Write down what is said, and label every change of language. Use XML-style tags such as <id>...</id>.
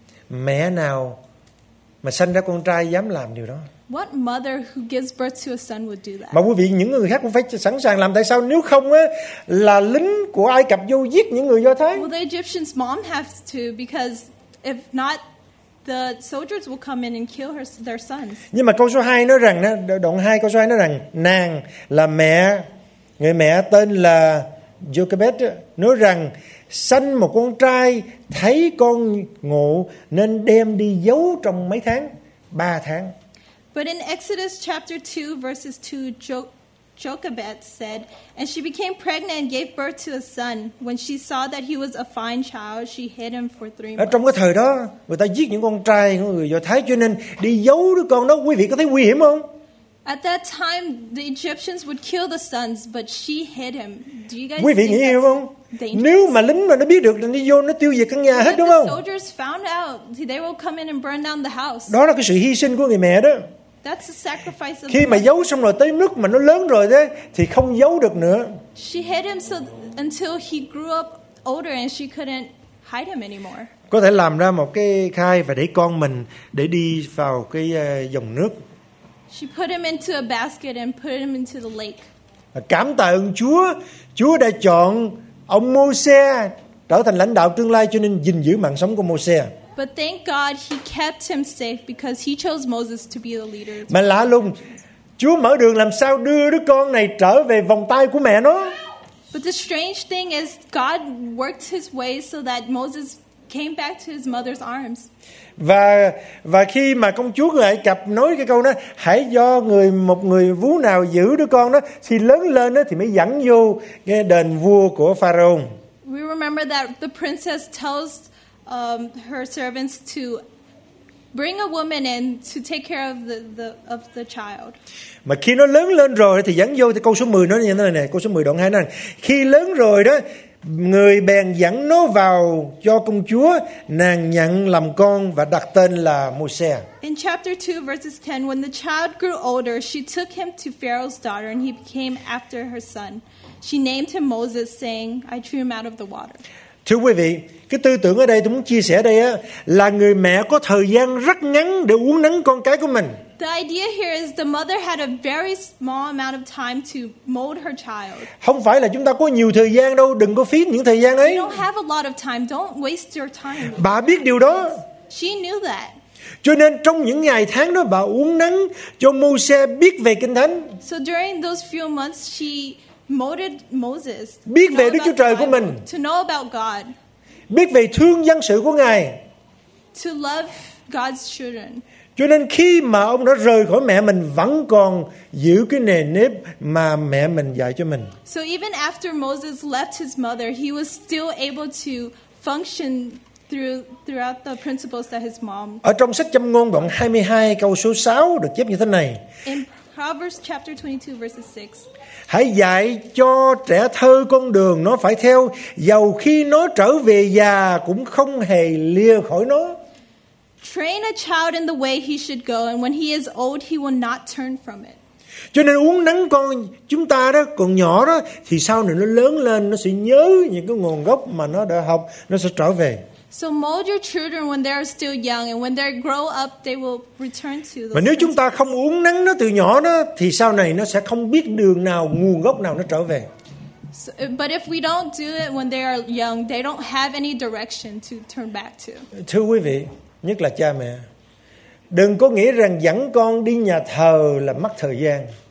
<vi>Mẹ nào mà sanh ra con trai dám làm điều đó?</vi> <en>What mother who gives birth to a son would do that?</en> <vi>Mà quý vị, những người khác cũng phải sẵn sàng làm. Tại sao? Nếu không á, là lính của Ai Cập vô giết những người Do Thái.</vi> <en>Well, the Egyptian's mom has to, because if not, the soldiers will come in and kill their sons.</en> <vi>Nhưng mà câu số 2 nói rằng, đoạn 2 câu số 2 nói rằng, nàng là mẹ, người mẹ tên là Jochebed, nói rằng, sanh một con trai, thấy con ngộ, nên đem đi giấu trong mấy tháng? 3 tháng.</vi> <en>But in Exodus chapter 2, verses 2, Jochebed said, and she became pregnant and gave birth to a son. When she saw that he was a fine child, she hid him for 3 months.</en> <vi>Trong cái thời đó, người ta giết những con trai của người Do Thái, cho nên đi giấu đứa con đó, quý vị có thấy nguy hiểm không?</vi> <en>At that time, the Egyptians would kill the sons, but she hid him. Do you guys</en> <vi>quý vị</vi> <en>think</en> <vi>nghĩ hiểm không?</vi> <en>Dangerous.</en> <vi>Nếu mà lính mà nó biết được thì đi vô nó tiêu diệt căn nhà hết, đúng không?</vi> <en>The soldiers found out, they will come in and burn down the house.</en> <vi>Đó là cái sự hy sinh của người mẹ đó.</vi> <en>That's the sacrifice of</en> <vi>khi mà giấu xong rồi tới lúc mà nó lớn rồi đấy thì không giấu được nữa.</vi> <en>She hid him so until he grew up older and she couldn't hide him anymore.</en> <vi>Có thể làm ra một cái khay và để con mình để đi vào cái dòng nước.</vi> <en>She put him into a basket and put him into the lake.</en> <vi>Cảm tạ ơn Chúa, Chúa đã chọn ông Môi-se trở thành lãnh đạo tương lai cho nên gìn giữ mạng sống của Môi-se.</vi> <en>But thank God he kept him safe because he chose Moses to be the leader.</en> <vi>Mà lạ lùng, Chúa mở đường làm sao đưa đứa con này trở về vòng tay của mẹ nó.</vi> <en>But the strange thing is God worked his way so that Moses came back to his mother's arms.</en> <vi>Và khi mà công chúa của Ai Cập nói cái câu đó, hãy do người một người vú nào giữ đứa con đó thì lớn lên đó thì mới dẫn vô cái đền vua của Pharaoh.</vi> <en>We remember that the princess tells her servants to bring a woman in to take care of the child.</en> <vi>Mà khi nó lớn lên rồi thì dẫn vô, thì câu số 10 nói như thế này nè, câu số 10 đoạn 2 nè. Khi lớn rồi đó, người bèn dẫn nó vào cho công chúa, nàng nhận làm con và đặt tên là Môi-se.</vi> <en>In chapter 2 verses 10, when the child grew older, she took him to Pharaoh's daughter and he became after her son. She named him Moses saying, I drew him out of the water.</en> <vi>Thưa quý vị, cái tư tưởng ở đây tôi muốn chia sẻ đây á là người mẹ có thời gian rất ngắn để uống nắng con cái của mình.</vi> <en>The idea here is the mother had a very small amount of time to mold her child.</en> <vi>Không phải là chúng ta có nhiều thời gian đâu, đừng có phí những thời gian ấy.</vi> <en>You don't have a lot of time, don't waste your time.</en> <vi>Bà biết điều đó.</vi> <en>She knew that.</en> <vi>Cho nên trong những ngày tháng đó bà uống nắng cho Môi-se biết về Kinh Thánh.</vi> <en>So during those few months she molded Moses.</en> <vi>Biết về Đức Chúa Trời của mình.</vi> <en>To know about God.</en> <vi>Biết về thương dân sự của Ngài.</vi> <en>To love God's children.</en> <vi>Cho nên khi mà ông đã rời khỏi mẹ mình vẫn còn giữ cái nề nếp mà mẹ mình dạy cho mình.</vi> <en>So even after Moses left his mother, he was still able to function throughout the principles that his mom.</en> <vi>Ở trong sách Châm Ngôn đoạn 22 câu số 6 được chép như thế này.</vi> <en>In Proverbs chapter 22 verse 6.</en> <vi>Hãy dạy cho trẻ thơ con đường nó phải theo, dầu khi nó trở về già cũng không hề lìa khỏi nó.</vi> <en>Train a child in the way he should go, and when he is old, he will not turn from it.</en> <vi>Cho nên uống nắng con chúng ta đó còn nhỏ đó, thì sau này nó lớn lên nó sẽ nhớ những cái nguồn gốc mà nó đã học, nó sẽ trở về.</vi> <en>So mold your children when they are still young, and when they grow up, they will return to.</en> <vi>Mà nếu chúng ta không uống nắng nó từ nhỏ đó, thì sau này nó sẽ không biết đường nào, nguồn gốc nào nó trở về.</vi> <en>So, but if we don't do it when they are young, they don't have any direction to turn back to.</en> <vi>Thưa quý vị, nhất là cha mẹ, đừng có nghĩ rằng dẫn con đi nhà thờ là mất thời gian.</vi>